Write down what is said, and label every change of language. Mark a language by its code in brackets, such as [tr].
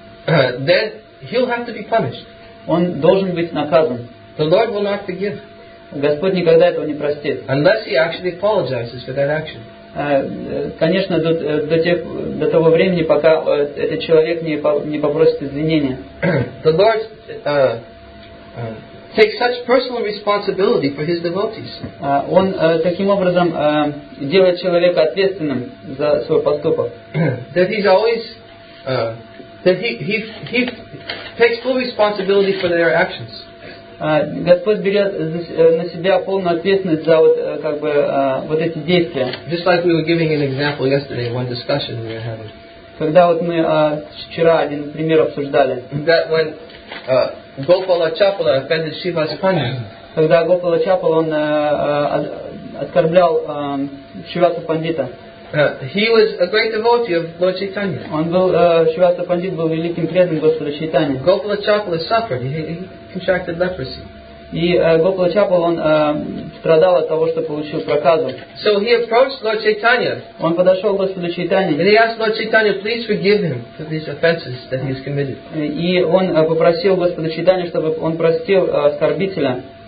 [en] then he'll have to be punished. [ru] Он должен быть наказан. [en] The Lord will not forgive. [ru] Господь никогда этого не простит. [en] Unless he actually apologizes for that action. [ru] Конечно, до того времени, пока этот человек не попросит извинения. [en] The Lord takes such personal responsibility for his devotees. [ru] Он таким образом делает человека ответственным за свой поступок. [en] That he's always that he takes full responsibility for their actions. [ru] Господь берет на себя полную ответственность за вот эти действия. [en] Just like we were giving an example yesterday, one discussion we were having. [ru] Когда вот мы вчера один пример обсуждали. [en] That when Gopala Chapala offended Shiva's Panya. [ru] Когда Гопала Чапала он оскорблял Шиваса Пандита. [en] He was a great devotee of Lord Chaitanya. [ru] Он был Шиваса Пандит был великим преданным Господа Чайтани. [en] Gopala Chapala suffered. He contracted leprosy. [ru] И Гопала Чапала он страдал от того, что получил проказу. [en] So he approached Lord Chaitanya. [ru] Он подошел к Господу Чайтани. [en] And he asked Lord Chaitanya, please forgive him for these offenses that he has committed. [ru] И он попросил Господа Чайтани, чтобы он простил оскорбителя.